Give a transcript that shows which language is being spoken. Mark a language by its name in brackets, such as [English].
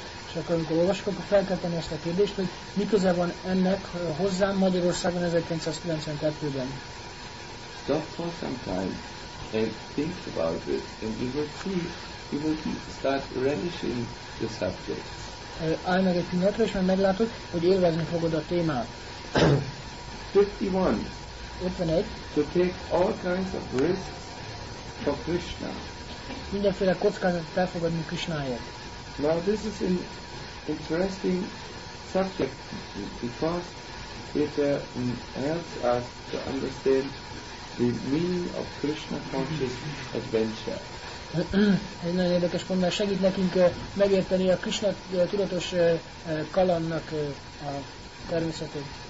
[Hungarian] És akkor, amikor olvasok, akkor fel kell tenni ezt a kérdést, hogy mi köze van ennek hozzám Magyarországon 1992-ben? [English] Stop for some time and think about it, and you will see, you will start relishing the subject. [Hungarian] Állj meg egy pillanatra, és már meglátod, hogy élvezni fogod a témát. [English] 51. To take all kinds of risks for Krishna. [Hungarian] Mindenféle kockázatot elfogadni Krishnáért. [English] Now this is an interesting subject, because it helps us to understand the meaning of Krishna conscious adventure. [Hungarian] Egy nagyon érdekes pont, mert segít nekünk megérteni a Krishna tudatos kalannak a természetét.